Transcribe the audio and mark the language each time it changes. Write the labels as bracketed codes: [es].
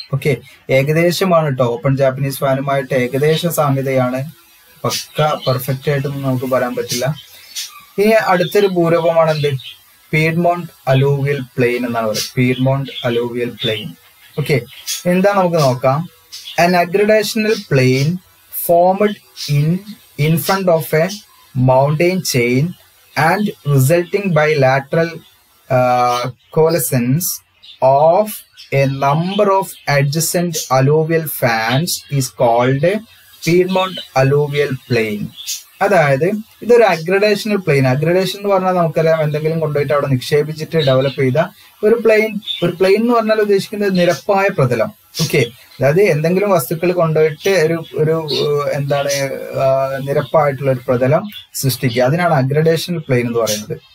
[ml] Okay, ഏകദേശമാണ് കേട്ടോ, open Japanese ഫാനുമായിട്ട് ഏകദേശ സാമ്യതയാണ്, പക്ക perfect ആയിട്ടൊന്നും നമുക്ക് പറയാൻ പറ്റില്ല. ഇനി അടുത്തൊരു ഭൂരൂപമാണ് എന്ത്, പീഡ്മോണ്ട് അലൂവിയൽ പ്ലെയിൻ എന്നാണ് പറയുന്നത്, പീഡ്മോണ്ട് അലൂവിയൽ പ്ലെയിൻ. ഓക്കെ, എന്താ നമുക്ക് നോക്കാം. [en] An aggradational plain formed in front of a mountain chain and resulting bilateral coalescence of a number of adjacent alluvial fans is called Piedmont alluvial plain. [ml] അതായത് ഇതൊരു അഗ്രഡേഷണൽ plain. അഗ്രഡേഷൻ എന്ന് പറഞ്ഞാൽ നമുക്കറിയാം എന്തെങ്കിലും കൊണ്ടുപോയിട്ട് അവിടെ നിക്ഷേപിച്ചിട്ട് ഡെവലപ്പ് ചെയ്ത ഒരു പ്ലെയിൻ. ഒരു പ്ലെയിൻ എന്ന് പറഞ്ഞാൽ ഉദ്ദേശിക്കുന്നത് നിരപ്പായ പ്രതലം. ഓക്കെ, അതായത് എന്തെങ്കിലും വസ്തുക്കൾ കൊണ്ടുപോയിട്ട് ഒരു ഒരു എന്താണ് നിരപ്പായിട്ടുള്ള ഒരു പ്രതലം സൃഷ്ടിക്കുക, അതിനാണ് അഗ്രഡേഷണൽ പ്ലെയിൻ എന്ന് പറയുന്നത്.